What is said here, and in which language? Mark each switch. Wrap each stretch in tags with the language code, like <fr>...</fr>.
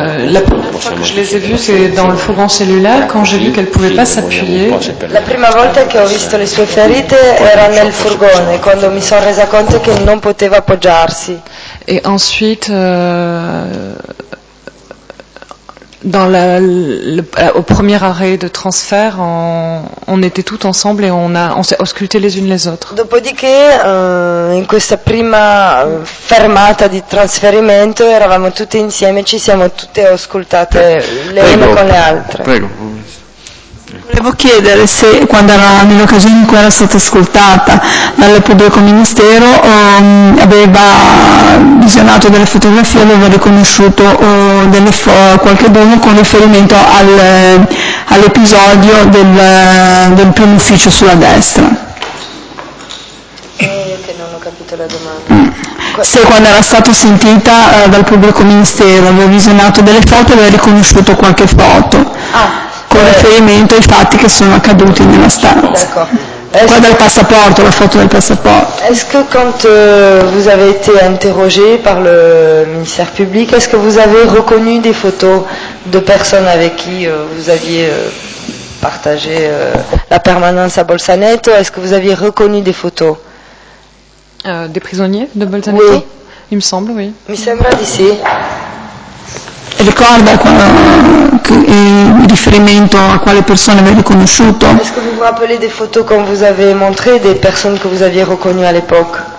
<fr>La première fois que je les ai vues, c'est dans le fourgon cellulaire, quand j'ai vu qu'elle ne pouvait pas s'appuyer.</fr> <it>La prima volta che ho visto le sue ferite era nel furgone, quando mi sono resa conto che non poteva appoggiarsi.</it> <fr>Et ensuite, dans au premier arrêt de transfert, on était toutes ensemble et on s'est ausculté les unes les autres.</fr> <it>Dopodiché, in questa prima fermata di trasferimento, eravamo tutte insieme, ci siamo tutte auscultate le une con le altre. Prego. Volevo chiedere se quando era nell'occasione in cui era stata ascoltata dalle pubblico ministero aveva visionato delle fotografie, aveva riconosciuto qualche dono con riferimento all'episodio del primo ufficio sulla destra. Che non ho capito la domanda. Se quando era stata sentita dal pubblico ministero aveva visionato delle foto, aveva riconosciuto qualche foto. Con riferimento ai fatti che sono accaduti nella stanza. Qua dal passaporto, la foto del passaporto.</it> <fr>Est-ce que quand vous avez été interrogé par le ministère public, est-ce que vous avez reconnu des photos de personnes avec qui vous aviez partagé la permanence à Bolzaneto? Est-ce que vous aviez reconnu des photos des prisonniers de Bolzaneto? Oui. Il me semble, oui.</fr> <it>Mi sembra di sì. Ricorda il riferimento a quale persona avevi riconosciuto?</it> <fr>Est-ce que vous vous rappelez des photos qu'on vous avait montrées, des personnes que vous aviez reconnues à l'époque?</fr>